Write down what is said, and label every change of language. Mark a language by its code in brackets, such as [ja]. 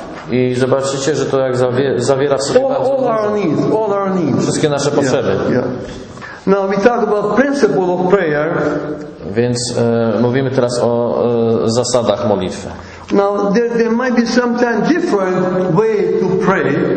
[pl] I zobaczycie, że to jak zawiera w sobie [en] all our needs. [pl] Wszystkie nasze potrzeby. [en] Now we talk about principle of prayer. [pl] Więc mówimy teraz o zasadach modlitwy. [en] Now there might be sometimes different way to pray.